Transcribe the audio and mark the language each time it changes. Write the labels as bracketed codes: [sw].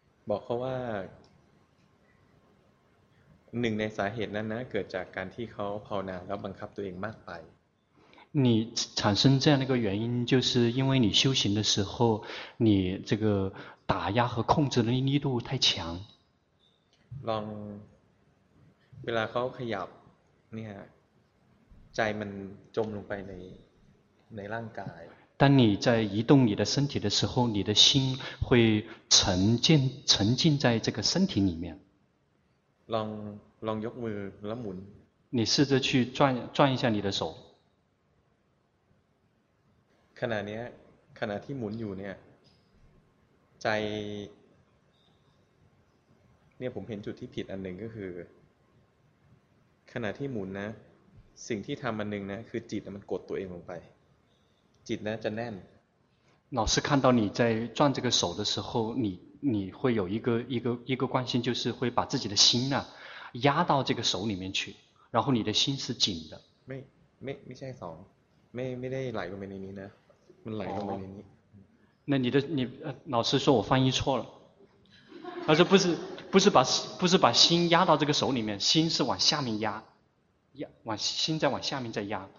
[th] บอกเขาว่าหนึ่งในสาเหตุนั้นนะเกิดจากการที่เขาภาวนาแล้วบังคับตัวเองมากไป [zh] 你产生这样的一个原因就是因为你修行的时候你这个打压和控制的力度太强 [th] ลองเวลาเขาขยับเนี่ยใจมันจมลงไปในร่างกาย [zh] 当你在移动你的身体的时候你的心会沉浸在这个身体里面 [th] ลองยกมือแล้วหมุน [zh] 你试着去转一下你的手 [th] ขณะนี้ขณะที่หมุนอยู่เนี่ยใจเนี่ยผมเห็นจุดที่ผิดอันหนึ่งก็คือขณะที่หมุนนะสิ่งที่ทำอันหนึ่งนะคือจิตมันกดตัวเองลงไปจิตนะจะแน่ [zh] น老师看到你在转这个手的时候你会有一个关心就是会把自己的心呢、啊、压到这个手里面去然后你的心是紧的 [th] ไม่ใช่สองไม่ได้ไหลลงไปในนี้นะมันไหลลงไปในนี้ [zh] 那你老师说我翻译错了他说不是把心压到这个手里面心是往下面压往心在往下面再压